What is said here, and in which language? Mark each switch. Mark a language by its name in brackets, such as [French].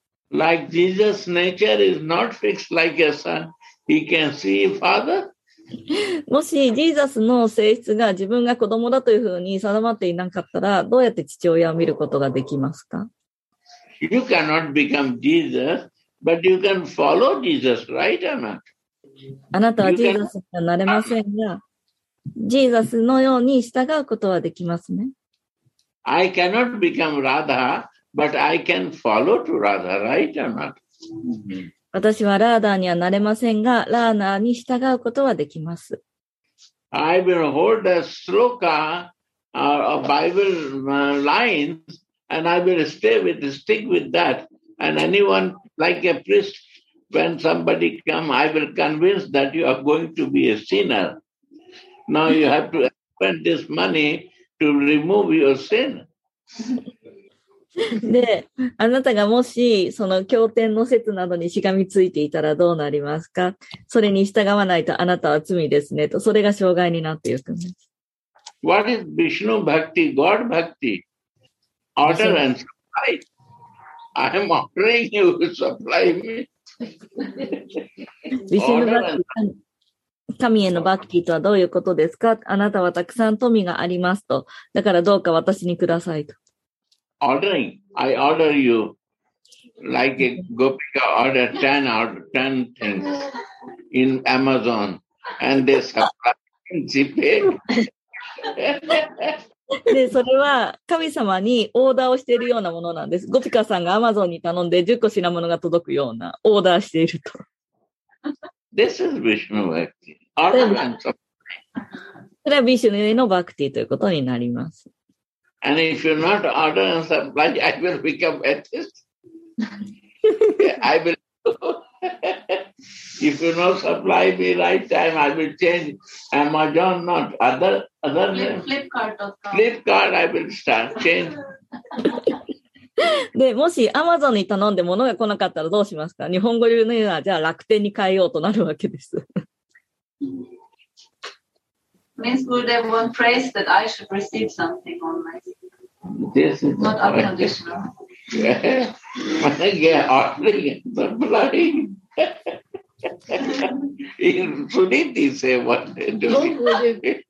[English] Like Jesus' nature is not fixed like a son. He can see Father. [Japanese] もしジーザスの性質が自分が子供だというふうに定まっていなかったら、どうやって父親を見ることができますか？ [English] You cannot become Jesus, but you can follow Jesus, right or not? [Japanese] あなたはジーザスにはなれませんが、ジーザスのように従うことはできますね。 [English] I cannot become Radha, but I can follow to Radha, right or not? [Japanese] 私はラーダーにはなれませんが、ラーナーに従うことはできます。 [English] I will hold a sloka or a Bible line. And I will stay with the stick with that. And anyone like a priest when somebody come, I will convince that you are going to be a sinner. Now you have to spend this money to remove your sin. [Japanese] で、あなたがもしその経典の説などにしがみついていたらどうなりますか？それに従わないとあなたは罪ですねと、それが障害になっていくんです。 [English] What is Vishnu Bhakti? God Bhakti? Order and supply. I am offering you to supply me. [Japanese] Vishnu Bhakti, 神へのバッキーとはどういうことですか？あなたはたくさん富がありますと、だからどうか私にくださいと。 [English] Ordering, I order you, like a Gopika order 10 or 10 things in Amazon, and they supply and she pay. [Japanese] で、それは神様にオーダーをしているようなものなんです。 Gopika さんが Amazon に頼んで10個品物が届くようなオーダーしていると。 [English] This is Vishnu Bhakti. Order and supply. [Japanese] それは Vishnu のバクティということになります。 [English] And if you not order and supply, I will become atheist. I will. If you not supply me right time, I will change Amazon, not other name. Flipkart.com. Flipkart, I will start change. [Japanese] で、もし Amazon に頼んで物が来なかったらどうしますか？日本語流のような、じゃあ楽天に変えようとなるわけです。 [English] Means Gurudev one prays that I should receive something on my This is not unconditional. Yeah, offering and supplying. In Suniti say what they do.